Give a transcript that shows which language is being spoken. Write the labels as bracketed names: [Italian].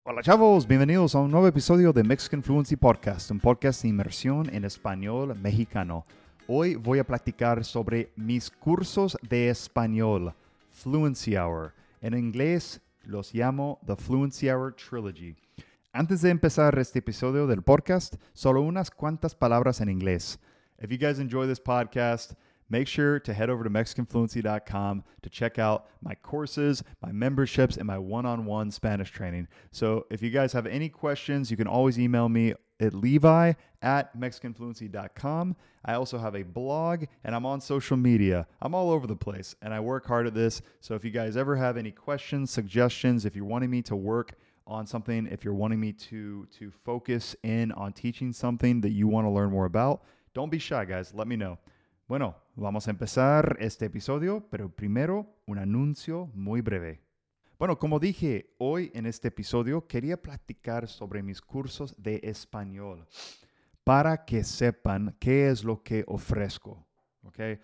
[Spanish] Hola chavos, bienvenidos a un nuevo episodio de Mexican Fluency Podcast, un podcast de inmersión en español mexicano. Hoy voy a platicar sobre mis cursos de español, Fluency Hour. En inglés los llamo The Fluency Hour Trilogy. Antes de empezar este episodio del podcast, solo unas cuantas palabras en inglés. [English] If you guys enjoy this podcast, make sure to head over to MexicanFluency.com to check out my courses, my memberships, and my one-on-one Spanish training. So if you guys have any questions, you can always email me at Levi@MexicanFluency.com. I also have a blog, and I'm on social media. I'm all over the place, and I work hard at this. So if you guys ever have any questions, suggestions, if you're wanting me to work on something, if you're wanting me to focus in on teaching something that you want to learn more about, don't be shy, guys. Let me know. [Spanish] Bueno, vamos a empezar este episodio, pero primero un anuncio muy breve. Bueno, como dije, hoy en este episodio quería platicar sobre mis cursos de español para que sepan qué es lo que ofrezco, ¿ok?